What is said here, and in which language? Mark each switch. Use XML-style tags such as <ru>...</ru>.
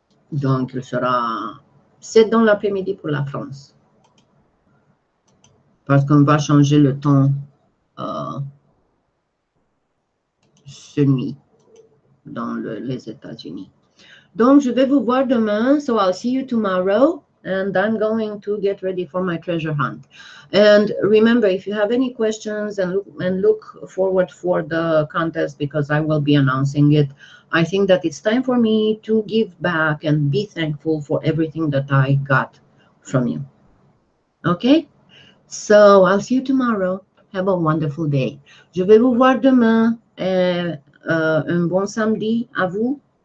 <fr>Donc, il sera 7 dans l'après-midi pour la France. Parce qu'on va changer le temps ce nuit dans les États-Unis. Donc, je vais vous voir demain.</fr> <en>So, I'll see you tomorrow. And I'm going to get ready for my treasure hunt. And remember, if you have any questions, and look forward for the contest, because I will be announcing it. I think that it's time for me to give back and be thankful for everything that I got from you. Okay? So I'll see you tomorrow. Have a wonderful day.</en> <fr>Je vais vous voir demain. Un bon samedi à vous.</fr>